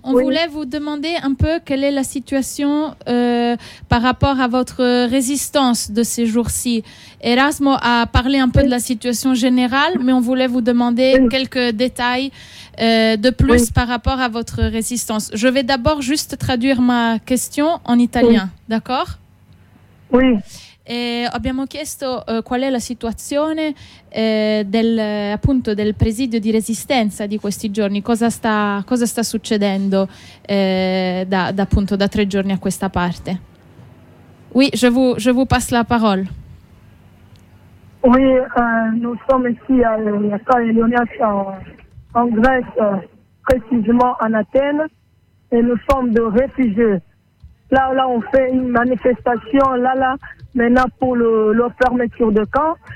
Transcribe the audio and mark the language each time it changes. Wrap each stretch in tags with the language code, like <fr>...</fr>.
<fr>On voulait vous demander un peu quelle est la situation par rapport à votre résistance de ces jours-ci. Erasmo a parlé un peu de la situation générale, mais on voulait vous demander quelques détails de plus par rapport à votre résistance. Je vais d'abord juste traduire ma question en italien, d'accord? Oui.</fr> <it>E abbiamo chiesto qual è la situazione del presidio di resistenza di questi giorni, cosa sta succedendo da 3 giorni a questa parte.</it> <fr>Oui, je vous passe la parole. Oui, nous sommes ici à la Calle Leonidas en Grèce, précisément en Athènes, et nous sommes de réfugiés. Là, on fait une manifestation, là, maintenant pour la fermeture de camp.</fr>